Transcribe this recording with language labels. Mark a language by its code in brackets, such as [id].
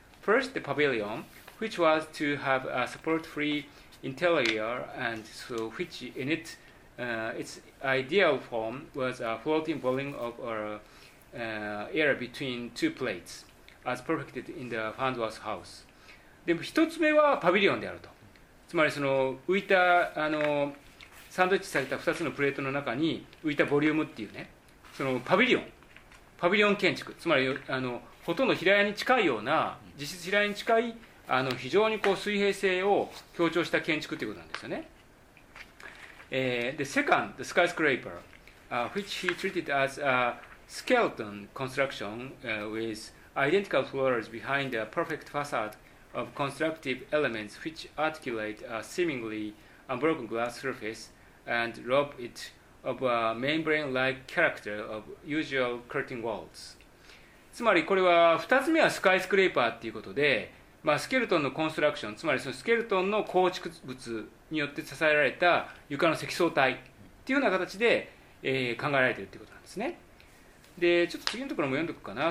[en] First the pavilion, which was to have a support freeinterior, and so which in it, its ideal form was a floating volume of air between two plates, as perfected in the Farnsworth house. [ja] でも一つ目はパビリオンであると。つまりその浮いた、あのサンドイッチされた2つのプレートの中に浮いたボリュームっていうね、そのパビリオン、パビリオン建築、つまりあのほとんど平屋に近いような、実質平屋に近い、あの非常にこう水平性を強調した建築ということなんですよね。 [en] The second, the skyscraper, which he treated as a skeleton construction, with identical floors behind a perfect facade of constructive elements which articulate a seemingly unbroken glass surface and rob it of a membrane-like character of usual curtain walls. [ja] つまりこれは2つ目はスカイスクレーパーということで、まあ、スケルトンのコンストラクション、つまりそのスケルトンの構築物によって支えられた床の積層体というような形で、考えられているということなんですね。で、ちょっと次のところも読んでおくかな。